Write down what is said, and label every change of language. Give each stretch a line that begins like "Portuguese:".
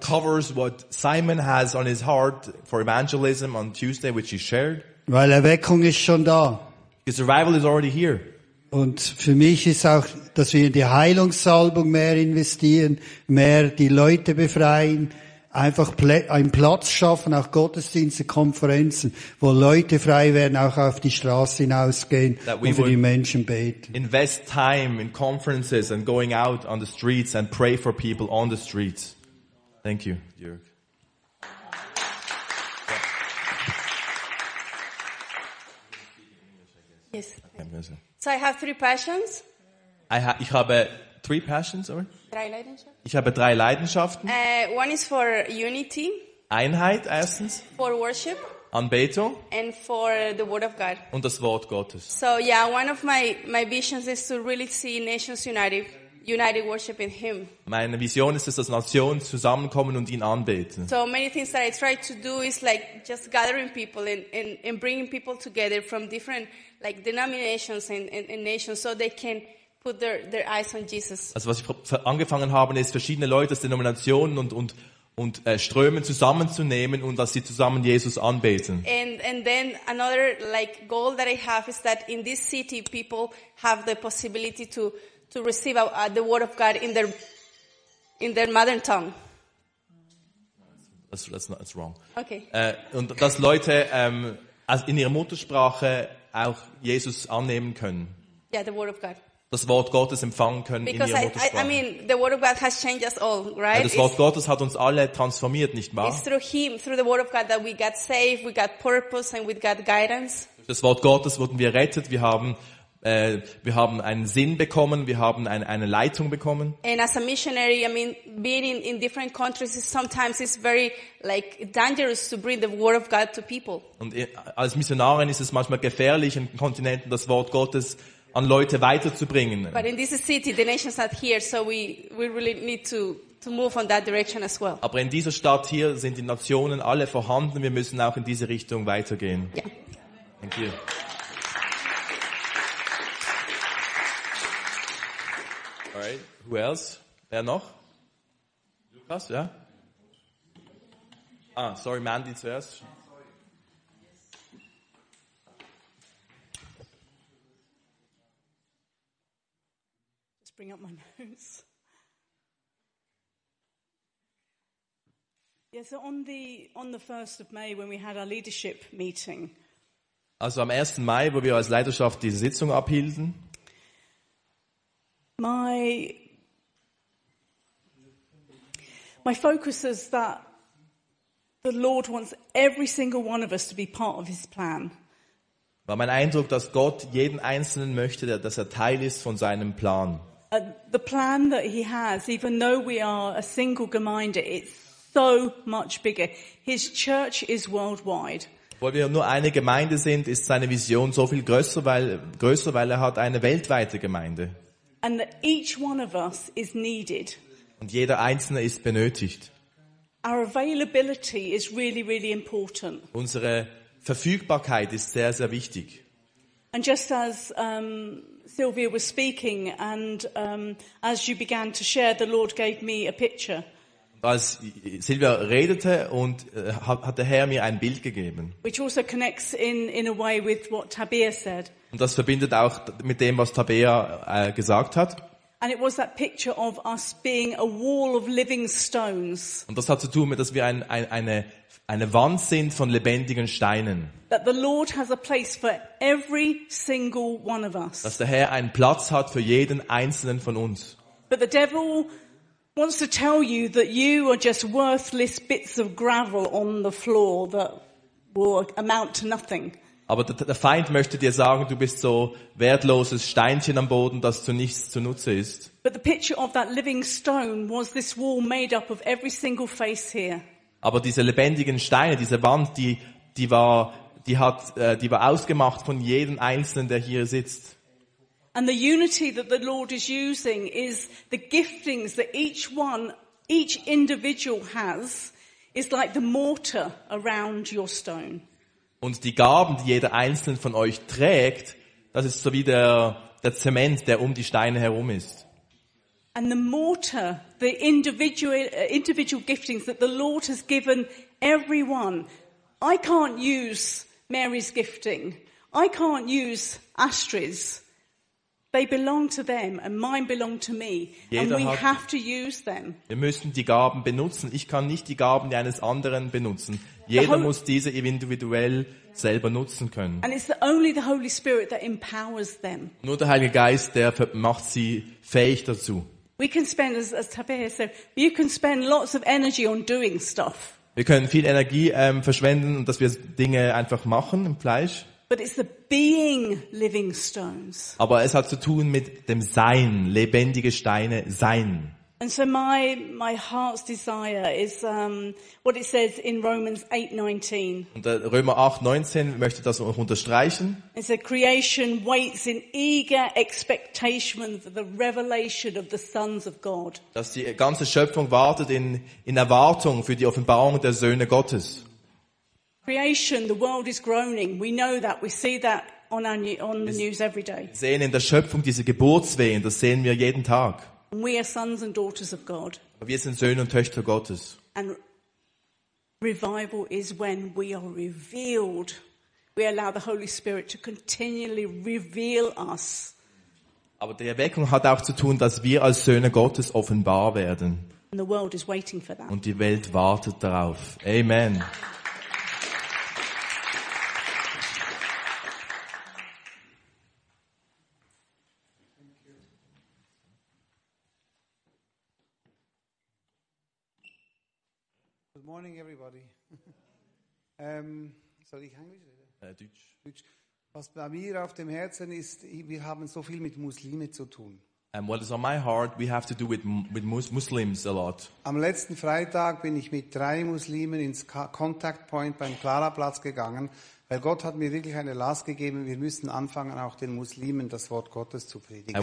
English: That covers what Simon has on his heart for evangelism on Tuesday, which he shared.
German: Weil Erweckung ist schon da.
English: Because revival is already here.
German: Und für mich ist auch, dass wir in die Heilungssalbung mehr investieren, mehr die Leute befreien, einfach einen Platz schaffen, auch Gottesdienste, Konferenzen, wo Leute frei werden, auch auf die Straße hinausgehen und für die Menschen beten.
English: Invest time in conferences and going out on the streets and pray for people on the streets. Thank you, Jörg. Yes. So I have three passions.
German: Ich habe
English: three passions, sorry.
German: Drei Leidenschaften. Ich habe drei Leidenschaften.
English: One is for unity.
German: Einheit erstens.
English: For worship.
German: Anbetung.
English: And for the word of God.
German: Und das Wort Gottes.
English: So yeah, one of my visions is to really see nations united worship in Him.
German: Meine Vision ist es, dass Nationen zusammenkommen und ihn anbeten.
English: So many things that I try to do is like just gathering people and bringing people together from different like denominations and nations so they can put their eyes on Jesus.
German: Also was ich angefangen habe, ist verschiedene Leute aus Denominationen und Strömen zusammenzunehmen und dass sie zusammen Jesus anbeten.
English: And then another like goal that I have is that in this city people have the possibility to receive the word of God in their mother tongue. That's wrong. Okay.
German: Und dass Leute in ihrer Muttersprache auch Jesus annehmen können.
English: Yeah, the word of God.
German: Das Wort Gottes empfangen können
English: because
German: in ihrer Muttersprache.
English: I mean, the word of God has changed us all, right?
German: Das Wort Gottes hat uns alle transformiert, nicht wahr?
English: It's through Him, through the word of God, that we got saved, we got purpose, and we got guidance.
German: Durch das Wort Gottes wurden wir rettet. Wir haben einen Sinn bekommen. Wir haben eine Leitung bekommen.
English: And as a missionary, I mean, being in different countries is sometimes it's very like dangerous to bring the word of God to people.
German: Und als Missionarin ist es manchmal gefährlich, in Kontinenten das Wort Gottes an Leute weiterzubringen.
English: But in this city, the nation's not here, so we really need to move on that direction as well.
German: Aber in dieser Stadt hier sind die Nationen alle vorhanden. Wir müssen auch in diese Richtung weitergehen.
English: Yeah. Thank you. All right. Who else?
German: Wer noch?
English: Lukas,
German: ja?
English: Yeah? Ah, sorry, Mandy
German: zuerst.
English: bring up my notes. Yeah, so on the 1st of May when we had our leadership meeting.
German: Also am 1. Mai, wo wir als Leiterschaft die Sitzung abhielten.
English: My focus is that the Lord wants every single one of us to be part of his plan.
German: War mein Eindruck, dass Gott jeden einzelnen möchte, dass er Teil ist von seinem Plan.
English: The plan that he has, even though we are a single Gemeinde, it's so much bigger. His church is worldwide.
German: Weil wir nur eine Gemeinde sind, ist seine Vision so viel größer, weil er hat eine weltweite Gemeinde.
English: And that each one of us is needed.
German: Und jeder einzelne ist benötigt.
English: Our availability is really, really important.
German: Unsere Verfügbarkeit ist sehr, sehr wichtig.
English: And just as Sylvia was speaking and as you began to share, the Lord gave me a picture.
German: Als Sylvia redete und hat der Herr mir ein Bild gegeben.
English: Which also connects in a way with what Tabea said.
German: Und das verbindet auch mit dem, was Tabea gesagt hat.
English: And it was that picture of us being a wall of living stones.
German: Und das hat zu tun mit, dass wir eine Wand sind von lebendigen Steinen.
English: That the Lord has a place for every single one of us.
German: Dass der Herr einen Platz hat für jeden einzelnen von uns.
English: But the devil wants to tell you that you are just worthless bits of gravel on the floor that will amount to nothing.
German: Aber der Feind möchte dir sagen, du bist so wertloses Steinchen am Boden, das zu nichts zu Nutze ist.
English: But the picture of that living stone was this wall made up of every single face here.
German: Aber diese lebendigen Steine, diese Wand, die war ausgemacht von jedem Einzelnen, der hier sitzt.
English: And the unity that the Lord is using is the giftings that each individual has is like the mortar around your stone.
German: Und die Gaben, die jeder Einzelne von euch trägt, das ist so wie der Zement, der um die Steine herum ist.
English: And the mortar, the individual giftings that the Lord has given everyone. I can't use Mary's gifting. I can't use Astrid's. They belong to them and mine belong to me. Have to use them.
German: Wir müssen die Gaben benutzen. Ich kann nicht die Gaben eines anderen benutzen. Jeder muss diese individuell selber nutzen können.
English: And it's only the Holy Spirit that empowers them.
German: Nur der Heilige Geist, der macht sie fähig dazu.
English: We can spend, as Tabea said, you can spend lots of energy on doing stuff.
German: Wir können viel Energie verschwenden, und dass wir Dinge einfach machen im Fleisch.
English: But it's the being living stones.
German: Aber es hat zu tun mit dem Sein, lebendige Steine sein.
English: And so my heart's desire is what it says in Romans 8:19.
German: Und Römer 8:19 möchte das auch unterstreichen.
English: It's a creation waits in eager expectation for the revelation of the sons of God.
German: Dass die ganze Schöpfung wartet in Erwartung für die Offenbarung der Söhne Gottes.
English: Creation, the world is groaning. We know that. We see that on the news every day.
German: Wir sehen in der Schöpfung diese Geburtswehen. Das sehen wir jeden Tag.
English: We are sons and daughters of God.
German: Wir sind Söhne und Töchter Gottes.
English: And revival is when we are revealed. We allow the Holy Spirit to continually reveal us.
German: Aber die Erweckung hat auch zu tun, dass wir als Söhne Gottes offenbar werden.
English: And the world is waiting for that.
German: Und die Welt wartet darauf. Amen. Soll ich Englisch reden? Deutsch. Was bei mir auf dem Herzen ist, wir haben so viel mit Muslimen zu tun.
English: And what is on my heart, we have to do with Muslims a lot.
German: Am letzten Freitag bin ich mit 3 Muslimen ins Contact Point beim Clara Platz gegangen, weil Gott hat mir wirklich eine Last gegeben, wir müssen anfangen, auch den Muslimen das Wort Gottes zu predigen.